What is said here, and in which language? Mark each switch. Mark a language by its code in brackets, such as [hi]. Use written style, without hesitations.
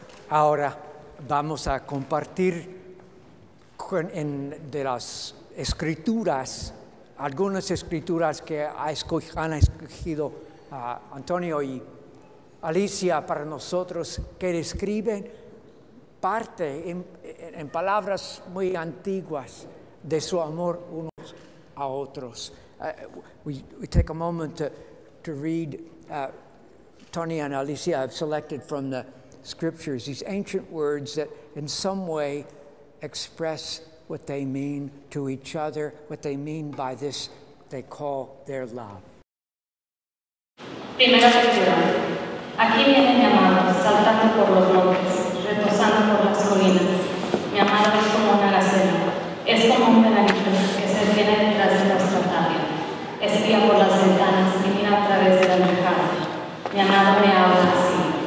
[es] Ahora vamos a compartir de las escrituras, algunas escrituras que han escogido Antonio y Alicia para nosotros, que describen parte en palabras muy antiguas de su amor unos a otros. [en] We take a moment to read Tony and Alicia have selected from the scriptures, these ancient words that in some way express what they mean to each other, what they mean by this they call their love. [es] Primera lectura. Aquí viene mi amado, saltando por los montes, reposando por las colinas. Mi amado es como una gacela, es como un venadito que se viene detrás de nuestro tapia. Espía por las ventanas y mira a través de la ventana. Mi amado me habla así.